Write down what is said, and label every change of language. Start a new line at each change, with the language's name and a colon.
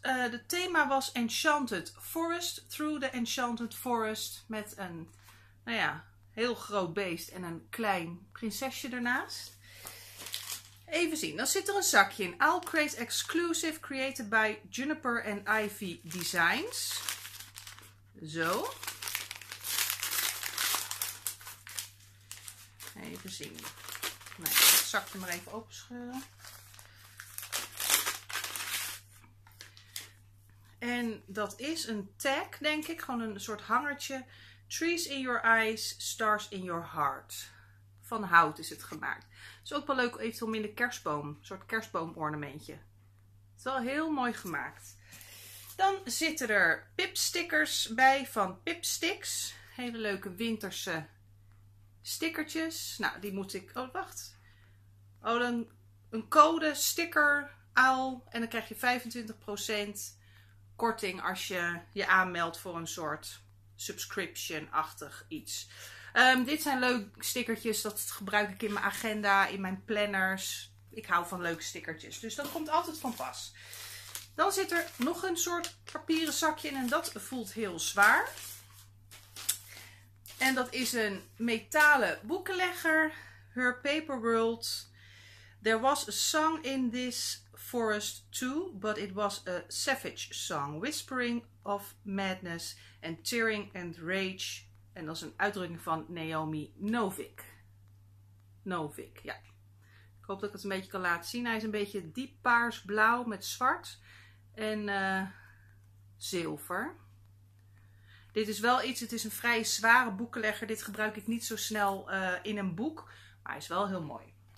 Dutch: De thema was Enchanted Forest.
English: Through the Enchanted Forest.
Dutch: Met een, nou ja, heel groot beest en een klein prinsesje ernaast. Even zien. Dan zit er een zakje in.
English: Owlcrate Exclusive created by Juniper and Ivy Designs.
Dutch: Zo. Even zien. Nee, het zakje maar even openscheuren. En dat is een tag, denk ik. Gewoon een soort hangertje.
English: Trees in your eyes, stars in your heart.
Dutch: Van hout is het gemaakt. Het is ook wel leuk om in de kerstboom. Een soort kerstboomornamentje. Het is wel heel mooi gemaakt. Dan zitten er pipstickers bij van Pipsticks. Hele leuke winterse stickertjes. Nou, die moet ik... Oh, wacht. Oh, dan een code sticker aal. En dan krijg je 25% korting als je je aanmeldt voor een soort subscription-achtig iets. Dit zijn leuke stickertjes. Dat gebruik ik in mijn agenda, in mijn planners. Ik hou van leuke stickertjes. Dus dat komt altijd van pas. Dan zit er nog een soort papieren zakje in. En dat voelt heel zwaar. En dat is een metalen boekenlegger.
English: Her Paper World. There was a song in this forest too, but it was a savage song. Whispering of madness and tearing and rage.
Dutch: En dat is een uitdrukking van Naomi Novik. Novik, ja. Ik hoop dat ik het een beetje kan laten zien. Hij is een beetje diep paarsblauw met zwart en zilver. Dit is wel iets, het is een vrij zware boekenlegger. Dit gebruik ik niet zo snel in een boek, maar hij is wel heel mooi.